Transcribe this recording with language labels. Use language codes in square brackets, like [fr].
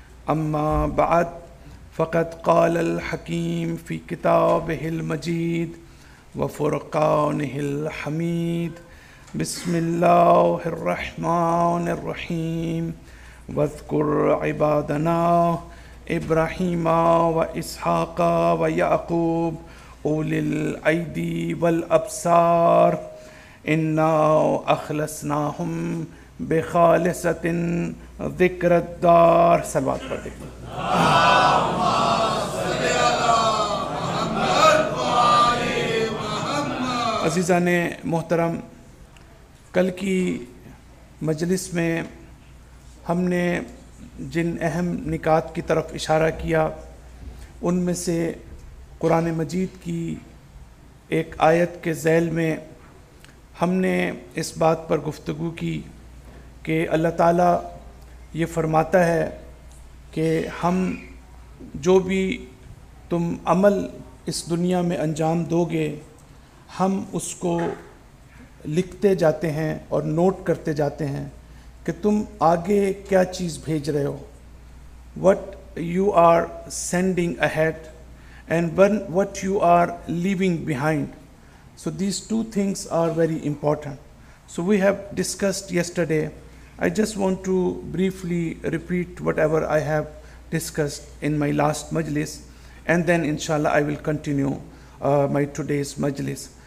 [ar] أما بعد، فقد قال الحكيم في كتابه المجيد وفرقانه الحميد، بسم الله الرحمن الرحيم: واذكر عبادنا إبراهيم وإسحاق ويعقوب أولي الأيدي والأبصار، إنا أخلصناهم بخالصة ذكر الدار. [ur] صلوات پر دیکھیں، [ar] اللهم صل على محمد وآل محمد. [ur] عزیزان محترم، کل کی مجلس میں ہم نے جن اہم نکات کی طرف اشارہ کیا، ان میں سے قرآن مجید کی ایک آیت کے ذیل میں ہم نے اس بات پر گفتگو کی کہ اللہ تعالیٰ یہ فرماتا ہے کہ ہم جو بھی تم عمل اس دنیا میں انجام دو گے، ہم اس کو لکھتے جاتے ہیں اور نوٹ کرتے جاتے ہیں کہ تم آگے کیا چیز بھیج رہے ہو. [en] What you are sending ahead and what you are leaving behind. So these two things are very important. So we have discussed yesterday. I just want to briefly repeat whatever I have discussed in my last majlis, and then inshallah I will continue my today's majlis.